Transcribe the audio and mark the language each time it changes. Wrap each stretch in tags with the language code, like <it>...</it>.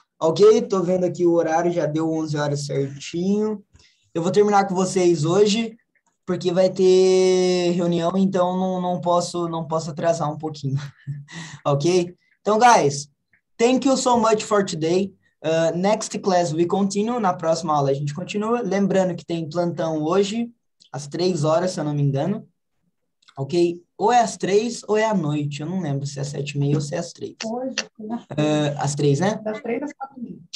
<pt>Ok, tô vendo aqui o horário, já deu 11 horas certinho. Eu vou terminar com vocês hoje, porque vai ter reunião, então não posso atrasar um pouquinho. Ok?</pt> <en>Então, guys, thank you so much for today. Next class we continue,</en> <pt>na próxima aula a gente continua. Lembrando que tem plantão hoje, às 3 horas, se eu não me engano. Ok? Ou é às 3 ou é à noite. Eu não lembro se é às 7h30 ou se é às 3. Hoje. Às 3, né? Das 3 às 4h30.</pt>